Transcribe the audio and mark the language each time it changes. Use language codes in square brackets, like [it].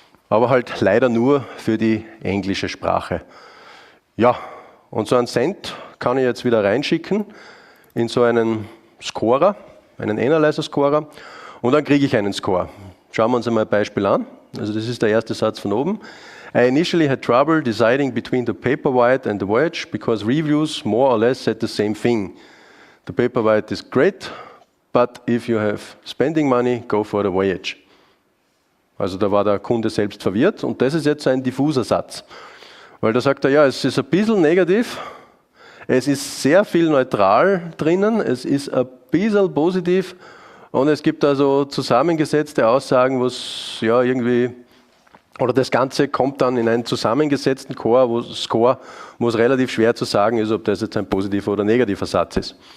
[de] Aber halt leider nur für die englische Sprache. Ja, und so einen Cent kann ich jetzt wieder reinschicken in so einen Scorer. Einen Analyzer-Scorer und dann kriege ich einen Score. Schauen wir uns einmal ein Beispiel an. Also das ist der erste Satz von oben. [en] I initially had trouble deciding between the Paperwhite and the Voyage because reviews more or less said the same thing. The Paperwhite is great, but if you have spending money, go for the Voyage. [de] Also da war der Kunde selbst verwirrt und das ist jetzt ein diffuser Satz. Weil da sagt er, ja, es ist ein bisschen negativ, es ist sehr viel neutral drinnen, es ist ein bisschen positiv und es gibt also zusammengesetzte Aussagen, wo es ja irgendwie, oder das Ganze kommt dann in einen zusammengesetzten Score, wo es relativ schwer zu sagen ist, ob das jetzt ein positiver oder negativer Satz ist.